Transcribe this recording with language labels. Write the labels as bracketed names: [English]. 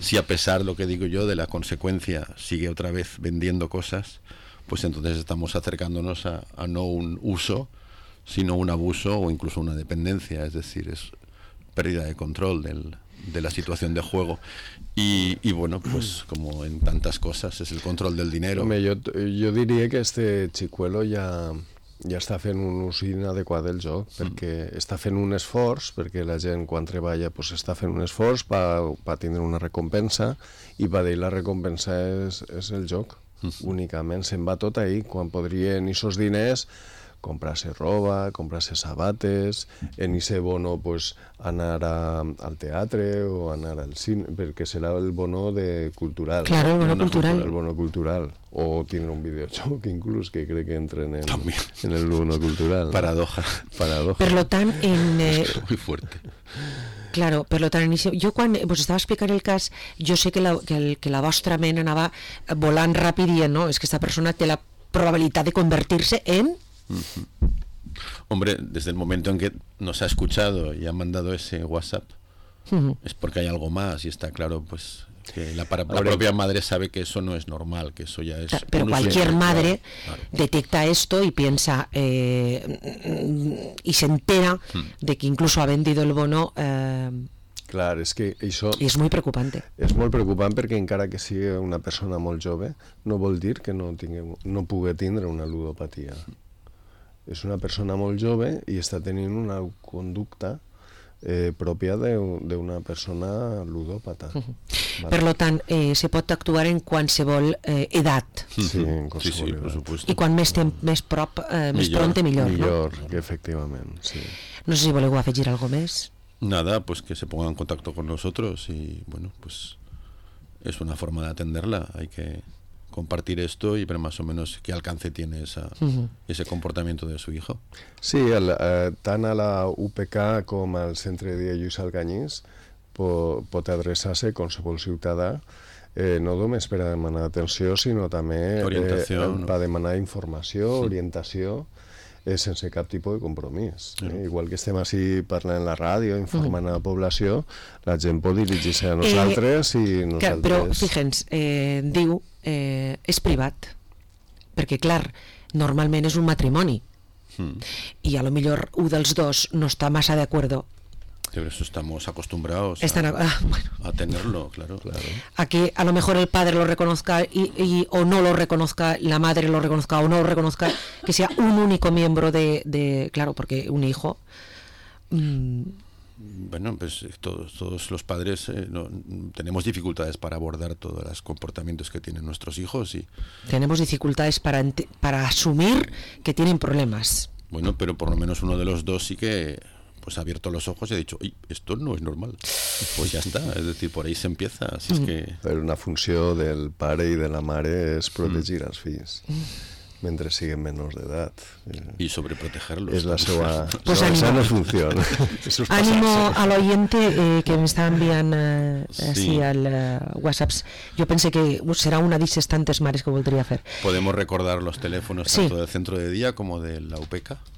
[Spanish] Si a pesar, lo que digo yo, de la consecuencia, sigue otra vez vendiendo cosas, pues entonces estamos acercándonos a no un uso, sino un abuso o incluso una dependencia, es decir, es pérdida de control de la situación de juego. Y bueno, pues como en tantas cosas, es el control del dinero. Hombre, yo diría que este chicuelo [Catalan] ja està fent un ús inadequat del joc, perquè està fent un esforç, perquè la gent quan treballa pues està fent un esforç per tindre una recompensa, i per dir la recompensa és el joc. Únicament se'n va tot ahí, quan podrien aquests diners comprar-se roba, comprar-se sabates, en ese bono pues anar al teatre o anar al cine, perquè serà el bono de cultural. [Spanish] Claro, el bono cultural. [Catalan] El bono cultural. O tindre un videojoc, inclús, que crec que entren en el bono cultural. [Spanish] Paradoja. Paradoja. [Catalan] Per lo tant, [Spanish] muy fuerte. [Catalan] Claro, per lo tant, jo quan vos estava explicant el cas, jo sé que la vostra ment anava volant ràpid i dient, no, és que esta persona té la probabilitat de convertir-se en... [Spanish] Hombre, desde el momento en que nos ha escuchado y ha mandado ese WhatsApp, es porque hay algo más, y está claro, pues que la propia madre sabe que eso no es normal, que eso ya es. Pero cualquier madre detecta esto y piensa y se entera de que incluso ha vendido el bono. Claro, es que eso es muy preocupante. Es muy preocupante porque [Catalan] encara que sigue [Spanish] una persona muy joven, [Catalan] no vol dir que no pugue tindre una ludopatía. És una persona molt jove i està tenint una conducta pròpia d'una persona ludòpata. Per tant, se pot actuar en qualsevol edat. Sí, en qualsevol edat. I quan més temps, més prop, més pronte, millor. Millor, efectivament. No sé si voleu afegir algo més. [Spanish] Nada, pues que se ponga en contacto con nosotros y bueno, pues es una forma de atenderla. Hay que compartir esto y ver más o menos qué alcance tiene ese comportamiento de su hijo. [Catalan] Sí, tant a la UPK com al Centre de Lluís Alcanyís pot adreçar-se a qualsevol ciutadà, no només per a demanar atenció, sinó també per a demanar informació, orientació, sense cap tipus de compromís. Igual que estem així parlant en la ràdio, informant a la població, la gent pot dirigir-se a nosaltres i nosaltres... Però, fíjens, diu... és privat, perquè clar, normalment és un matrimoni i a lo millor un dels dos no està massa d'acord. [Spanish] Pero eso estamos acostumbrados a tenerlo, claro. A que a lo mejor el padre lo reconozca y o no lo reconozca, la madre lo reconozca o no lo reconozca, que sea un único miembro de claro, porque un hijo... Bueno, pues todos los padres tenemos dificultades para abordar todos los comportamientos que tienen nuestros hijos y tenemos dificultades para asumir que tienen problemas. Bueno, pero por lo menos uno de los dos sí que pues ha abierto los ojos y ha dicho, ¡ay, esto no es normal! Pues ya está, es decir, por ahí se empieza. Así es que... Pero una función del padre y de la madre es proteger a los hijos. [Catalan] Mentre siguen menors d'edat. I sobreprotegerlos. És la seva... Pues la seva funció. Ánimo a l'oyente que m'està enviant sí. Al WhatsApp. Jo pense que serà una d'aquestes tantes mares que voldria fer. [Spanish] ¿Podemos recordar los teléfonos tanto del centro de día como de la UPK?